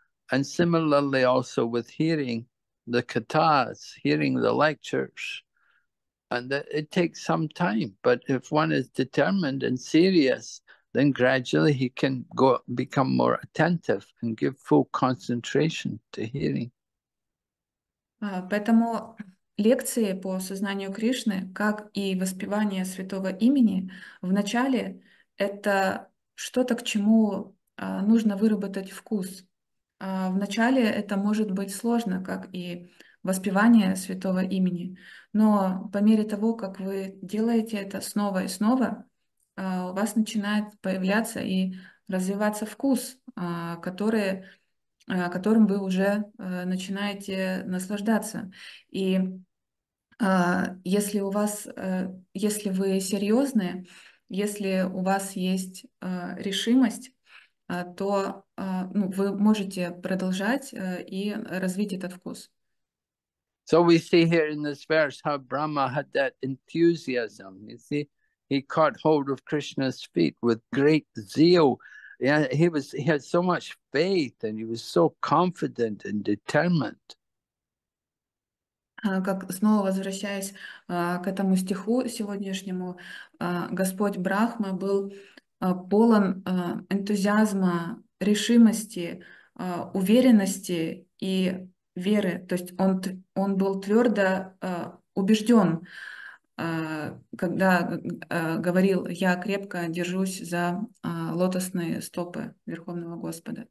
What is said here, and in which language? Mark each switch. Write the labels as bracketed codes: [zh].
[en] And similarly also with hearing the kathas, hearing the lectures, and that it takes some time. But if one is determined and serious, then gradually he can go become more attentive and give full concentration to hearing. [ru] Поэтому лекции по сознанию Кришны, как и воспевание святого имени, в начале это что-то, к чему нужно выработать вкус. В начале это может быть сложно, как и воспевание святого имени. Но по мере того, как вы делаете это снова и снова, у вас начинает появляться и развиваться вкус, которым вы уже начинаете наслаждаться. И если у вас, если вы серьезны, если у вас есть решимость, то ну, вы можете продолжать и развить этот вкус. [en] So we see here in this verse how Brahma had that enthusiasm. You see, he caught hold of Krishna's feet with great zeal. Yeah, he had so much faith and he was so confident and determined. [ru] Как снова возвращаясь к этому стиху сегодняшнему, Господь Брахма был полон энтузиазма, решимости, уверенности и веры. То есть он был твердо убежден, когда говорил: «Я крепко держусь за лотосные стопы Верховного Господа».